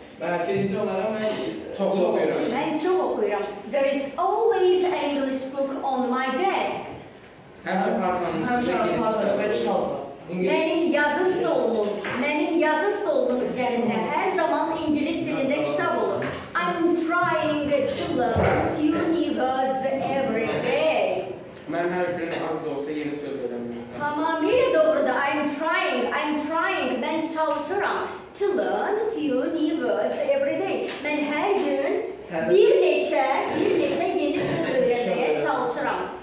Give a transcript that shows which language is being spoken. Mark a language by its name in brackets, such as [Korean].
[English] There is always an English book on my desk. [Azerbaijani] Benim yazı stolum üzerinde her zaman İngiliz dilinde kitap olur. [English] I'm trying to learn a few new words every day. [Azerbaijani] Ben her gün az da olsa yeni söz öğrenmeyeceğim. Tamamıyla doğrudur. [English] I'm trying. [Azerbaijani] Ben çalışıyorum [English] to learn a few new words every day. [Azerbaijani] Ben her gün bir neçe yeni söz öğrenmeye çalışıyorum.